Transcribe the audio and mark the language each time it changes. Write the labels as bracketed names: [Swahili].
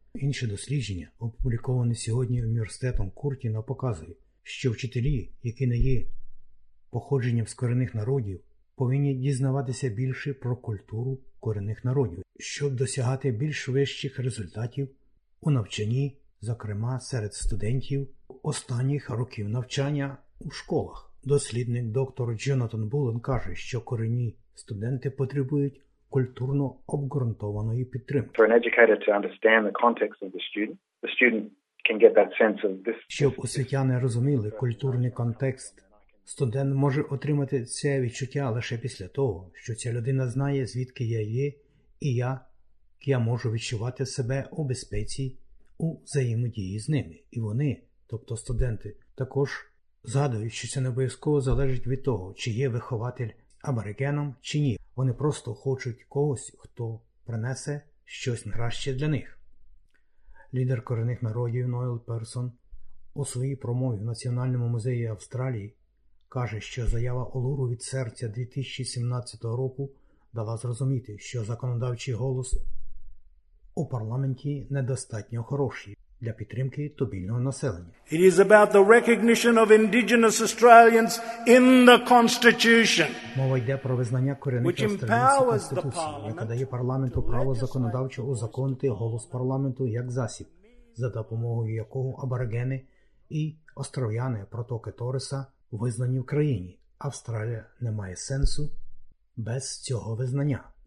[Ukrainian] Інше дослідження, опубліковане сьогодні університетом Куртіна, показує, що вчителі, які не є походженням з корінних народів, повинні дізнаватися більше про культуру корінних народів, щоб досягати більш вищих результатів у навчанні, зокрема серед студентів останніх років навчання у школах. Дослідник доктор Джонатан Булен каже, що корінні студенти потребують культурно обґрунтованої підтримки. [English] For an educator to understand the context of the student can get that sense of this. [Ukrainian] Щоб освітяни розуміли культурний контекст, студент може отримати це відчуття лише після того, що ця людина знає, звідки я є, і я можу відчувати себе у безпеці у взаємодії з ними. І вони, тобто студенти, також згадують, що це не обов'язково залежить від того, чи є вихователь аборигеном, чи ні. Вони просто хочуть когось, хто принесе щось краще для них. Лідер корінних народів Нойл Персон у своїй промові в Національному музеї Австралії каже, що заява Олуру від серця 2017 року дала зрозуміти, що законодавчий голос у парламенті недостатньо хороший для підтримки тубільного населення. [English] It is about the recognition of indigenous Australians in the constitution. [Ukrainian] Мова йде про визнання корінних австралійців в конституції, яка дає парламенту право законодавчо узаконити голос парламенту як засіб, за допомогою якого аборигени і остров'яни протоки Тореса визнані в країні. Австралія не має сенсу без цього визнання.